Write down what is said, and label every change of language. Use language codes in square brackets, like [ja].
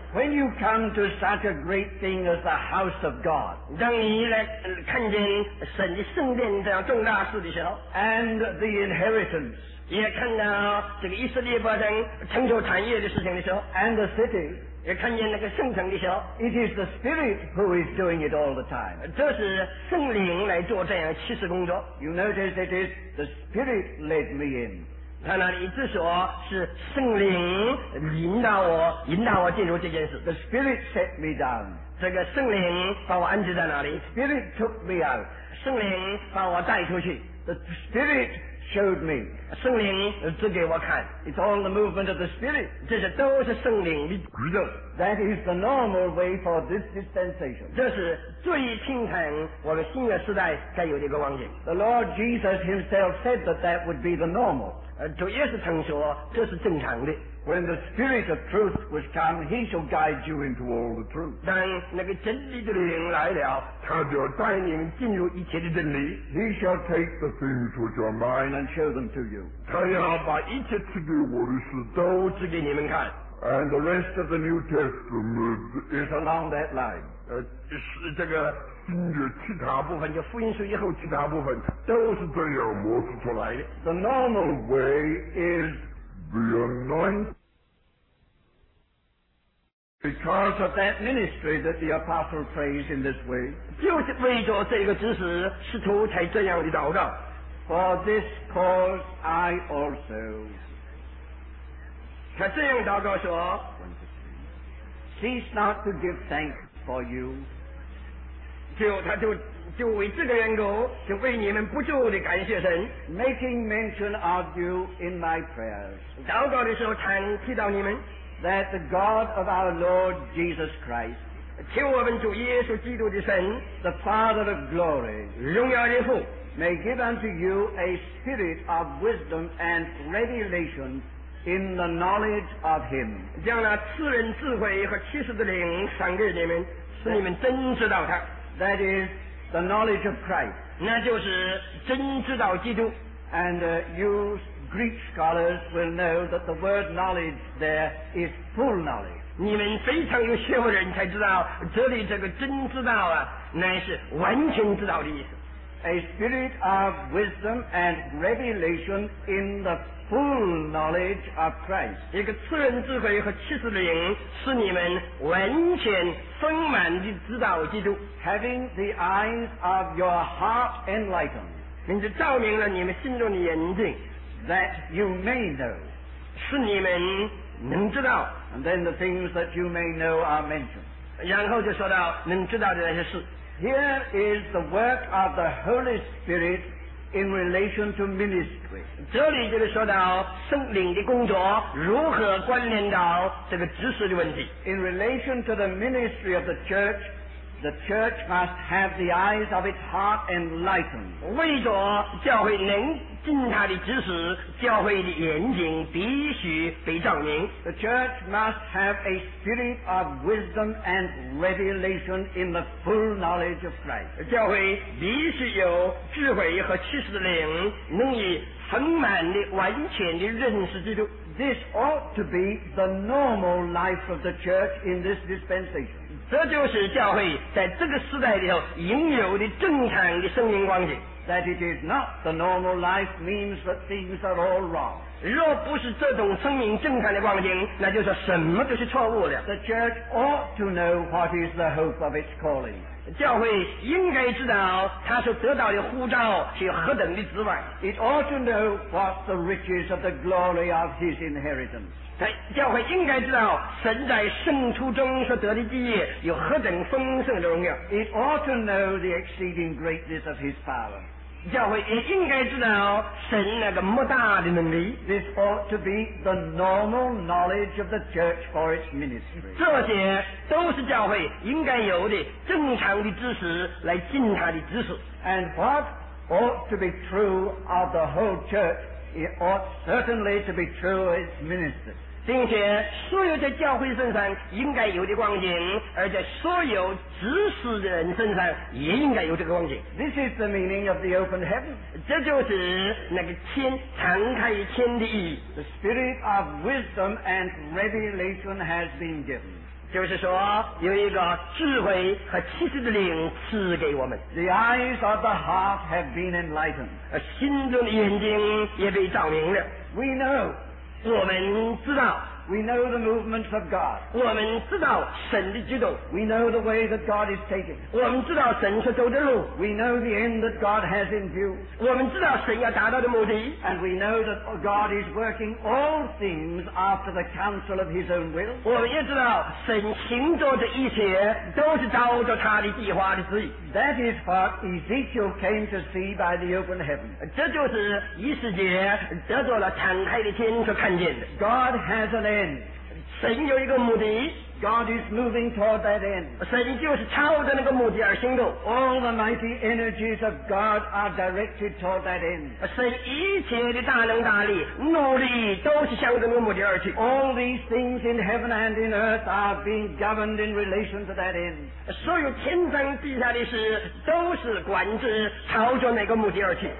[en] When you come to such a great thing as the house of God, [zh] 当你来看见神的圣殿这样重大事的时候 [en] ，and the inheritance, [zh] 也看到这个以色列发展成就产业的事情的时候 [en] ，and the city, [zh] 也看见那个圣城的时候 [en] ，it is the Spirit who is doing it all the time. [zh] 这是圣灵来做这样启示工作。 [en] You notice it is the Spirit led me in. [zh] 他那里一直说是圣灵引导我，引导我进入这件事。 [en] The Spirit set me down. [zh] 这个圣灵把我安置在哪里 [en] ？Spirit took me out. [zh] 圣灵把我带出去。 [en] The Spirit showed me. [zh] 圣灵指给我看。 [en] It's all the movement of the Spirit. [zh] 这些都是圣灵的举动。 [en] That is the normal way for this dispensation. [zh] 这是最平常我们新约时代该有的一个光景。 [en] The Lord Jesus Himself said that that would be the normal. [zh] 主耶稣曾说这是正常的。 [en] When the Spirit of truth was come, He shall guide you into all the truth. [zh] 当那个真理的灵来了，他就带你进入一切的真理。 [en] He shall take the things which are mine and show them to you. [zh] 他要把一切赐给我的事都指给你们看。 [en] And the rest of the New Testament is along that line. [zh] 是这个新约其他部分，就福音书以后其他部分，都是这样模式出来的。 [en] The normal way is the anointing. Because of that ministry that the apostle prays in this way. [zh] 就是为着这个知识，使徒才这样的祷告。 [en] For this cause I also. [zh] 他这样祷告说 [en] Cease not to give thanks for you. [zh] 他就为这个缘故，就为你们不住地感谢神。 [en] Making mention of you in my prayers. [zh] 祷告的时候常提到你们。 [en] That the God of our Lord Jesus Christ, [zh] 求我们主耶稣基督的神 [en] the Father of glory, [zh] 荣耀的父 [en] may give unto you a spirit of wisdom and revelation. In the knowledge of Him, [zh] 将那赐人智慧和启示的灵赏给你们，使你们真知道他。 [en] That is the knowledge of Christ. [zh] 那就是真知道基督。 [en] And you Greek scholars will know that the word knowledge there is full knowledge. [zh] 你们非常有学问的人才知道，这里这个真知道啊，乃是完全知道的意思。 [en] A spirit of wisdom and revelation in the full knowledge of Christ. [zh] 一个赐人智慧和启示的灵，使你们完全丰满地知道基督。 [en] Having the eyes of your heart enlightened. [zh] 并且照明了你们心中的眼睛。 [en] That you may know. [zh] 使你们能知道。 [en] And then the things that you may know are mentioned. [zh] 然后就说到能知道的那些事。 [en] Here is the work of the Holy Spirit in relation to ministry. [zh] 这里就是说到圣灵的工作如何关联到这个执事的问题。 [en] In relation to the ministry of the church must have the eyes of its heart enlightened. [zh] 为着教会能尽他的职事，教会的眼睛必须被照明。 [en] The church must have a spirit of wisdom and revelation in the full knowledge of Christ. [zh] 教会必须有智慧和启示的灵，能以丰满的、完全的认识基督。 [en] This ought to be the normal life of the church in this dispensation. [zh] 这就是教会在这个时代里头应有的正常的生命光景。 [en] That it is not the normal life means that things are all wrong. [zh] 若不是这种生命正常的光景，那就是什么都是错误的。 [en] The church ought to know what is the hope of its calling. [zh] 教会应该知道他所得到的呼召是何等的职分。 [en] It ought to know what the riches of the glory of his inheritance. [zh] 教会应该知道神在圣徒中所得的基业有何等丰盛的荣耀。 [en] It ought to know the exceeding greatness of his power. [zh] 教会也应该知道神那个莫大的能力。 [en] This ought to be the normal knowledge of the church for its ministry. [zh] 这些都是教会应该有的正常的知识来尽他的职事。 [en] And what ought to be true of the whole church? It ought certainly to be true of its ministers. [zh] 并且所有在教会身上应该有的光景，而在所有执事的人身上也应该有这个光景。 [en] This is the meaning of the open heaven. [zh] 这就是那个天，敞开天的意义。 [en] The spirit of wisdom and revelation has been given. [zh] 就是说有一个智慧和启示的灵赐给我们。 [en] The eyes of the heart have been enlightened. [zh] 心中的眼睛也被照明了。 [en] We know. [zh] 我们知道。 [en] We know the movements of God. [zh] 我们知道神的举动。 [en] We know the way that God is taking. [zh] 我们知道神所走的路。 [en] We know the end that God has in view. [zh] 我们知道神要达到的目的。 [en] And we know that God is working all things after the counsel of his own will. [zh] 我们也知道神行做的一切都是照着他的计划的旨意。 [en] That is what Ezekiel came to see by the open heaven. [zh] 这就是以斯帖得着了敞开的天所看见的。 [en] God has an end. [zh] 神有一个目的。 [en] God is moving toward that end. [zh] 神就是朝着那个目的而行动。 [en] All the mighty energies of God are directed toward that end. [zh] 神一切的大能大力努力都是向着那个目的而去。 [en] All these things in heaven and in earth are being governed in relation to that end. [zh] 所有天上地下的事都是管制朝着那个目的而去。